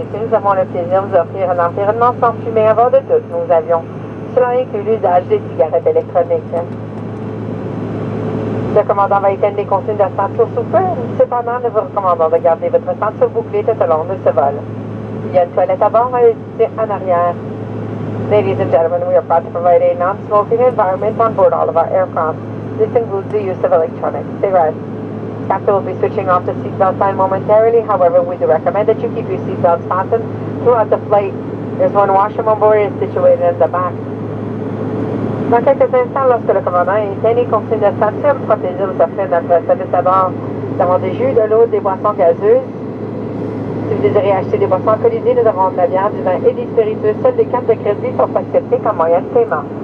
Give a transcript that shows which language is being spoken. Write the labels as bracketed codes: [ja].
[fr] avons le plaisir de vous offrir un environnement sans fumée à bord de tous nos avions. Cela inclut l'usage des cigarettes électroniques. Le commandant va éteindre les consignes de la ceinture sous peu. Cependant, nous vous recommandons de garder votre ceinture bouclée tout au long de ce vol. Il y a une toilette à bord et en arrière. [en] Ladies and gentlemen, we are proud to provide a non-smoking environment on board all of our aircraft. This includes the use of electronic cigarettes. Captain will be switching off the seatbelt sign momentarily. However, we do recommend that you keep your seatbelts fastened throughout the flight. There's one washroom on board and situated in the back. [fr] Dans quelques instants, lorsque le commandant est éteint, les consignes de ceinture, le protégé vous offre un autre service à bord. Nous avons des jus, de l'eau, des boissons gazeuses. Si vous désirez acheter des boissons alcoolisées, nous avons de la bière, du vin et des spiritueux. Seules les cartes de crédit sont acceptées comme moyen de paiement.